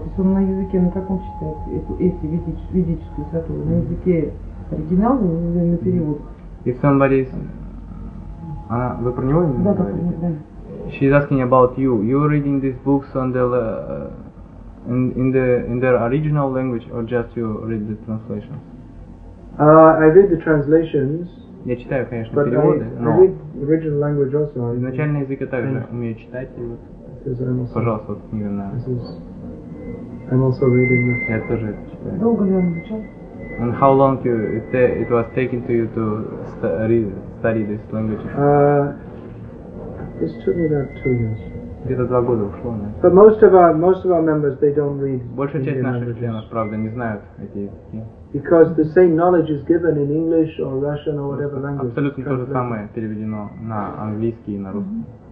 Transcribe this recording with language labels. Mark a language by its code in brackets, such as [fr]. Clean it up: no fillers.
[ru] То есть он на языке, на каком читает эти ведические сатуру? На языке оригинала или на перевод? [en] If somebody is... [ru] Вы про него именно говорите? Да, [en] да. She's asking about you. You're reading these books on the... In their original language, or just you read the translations? I read the translations. [ru] Я читаю, конечно, переводы, но. [en] I read original language also. [ru] Изначальный язык я также умею читать, и вот. Пожалуйста, вот книга на. [en] I'm also reading this. [ru] Я тоже читаю. Долго ли он начал? [en] And how long you it was taking to you to study this language? This took me about 2 years. [ru] Где-то 2 года ушло, да. [en] But most of our members, they don't read. [ru] Большая часть наших членов, правда, не знают эти языки. [en] Because the same knowledge is given in English or Russian or whatever language. [ru] Абсолютно то же самое переведено на английский и на русский.